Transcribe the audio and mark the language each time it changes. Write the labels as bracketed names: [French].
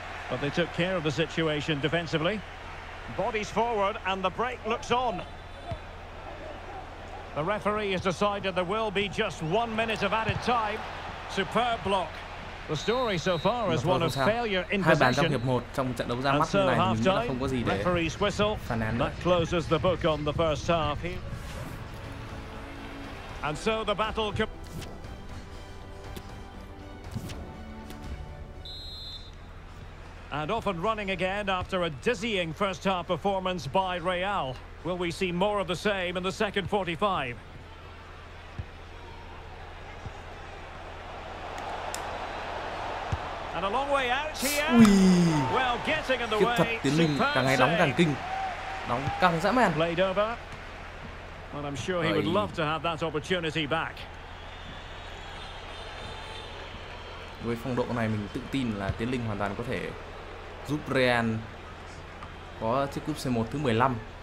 [English] But they took care of the situation defensively. Bodies forward and the break looks on. The referee has decided there will be just 1 minute of added time. Superb block. The story so far is one of failure in possession. [Vietnamese] Hai bàn trong hiệp 1 trong trận đấu ra mắt so này thì mình không có gì để phàn nàn nữa. [English] Closes the book on the first half. And so the battle and off and running again after a dizzying first half performance by Real. Will we see more of the same in the second 45? And a long way out here. Ui. Well, getting in the kiếp way. [Vietnamese] Tiến Linh càng ngày đóng càng kinh. Đóng càng dã man. [English] Played over. Well, I'm sure he would love to have that opportunity back. [Vietnamese] Với phong độ này mình tự tin là Tiến Linh hoàn toàn có thể giúp Real có chiếc cúp C1 thứ 15.